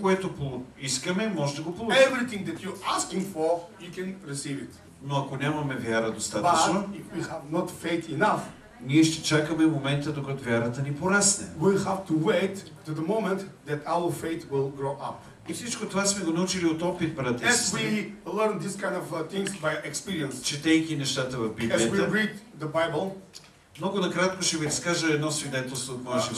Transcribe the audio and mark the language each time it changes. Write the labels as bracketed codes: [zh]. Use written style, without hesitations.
[bg] което искаме, може да го получим. [en] Everything that you're asking for, you can receive it. [bg] Но ако нямаме вяра достатъчно, [en] but if we have not faith enough, [bg] ние ще чакаме момента, докато вярата ни порасне. [en] We have to wait to the moment that our faith will grow up. [bg] И всичко това сме го научили от опит, брат и сестри. [en] As we learn these kind of things by experience. [bg] Четейки нещата в Библията. [en] As we read the Bible. [bg] Много накратко ще ви разкажа едно свидетелство от моя живот.